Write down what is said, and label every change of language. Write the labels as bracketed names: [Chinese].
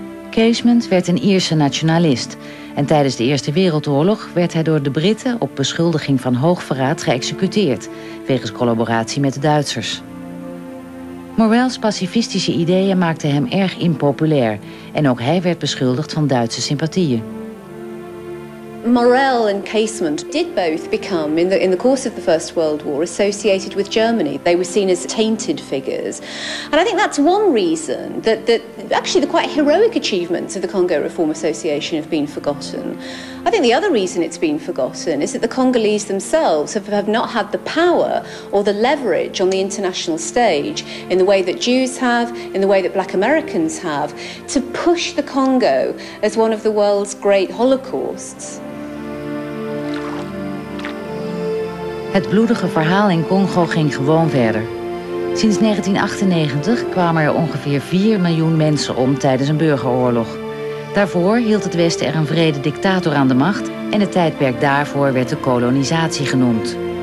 [Dutch] Casement werd een Ierse nationalist en tijdens de Eerste Wereldoorlog werd hij door de Britten op beschuldiging van hoogverraad geëxecuteerd wegens collaboratie met de Duitsers. Morels pacifistische ideeën maakten hem erg impopulair en ook hij werd beschuldigd van Duitse sympathieën. [English] Morel and Casement did both become, in the course of the First World War, associated with Germany. They were seen as tainted figures. And I think that's one reason that actually the quite heroic achievements of the Congo Reform Association have been forgotten. I think the other reason it's been forgotten is that the Congolese themselves have not had the power or the leverage on the international stage in the way that Jews have, in the way that black Americans have, to push the Congo as one of the world's great holocausts. [Dutch] Het bloedige verhaal in Congo ging gewoon verder. Sinds 1998 kwamen er ongeveer 4 miljoen mensen om tijdens een burgeroorlog. Daarvoor hield het Westen er een vrede dictator aan de macht en het tijdperk daarvoor werd de kolonisatie genoemd.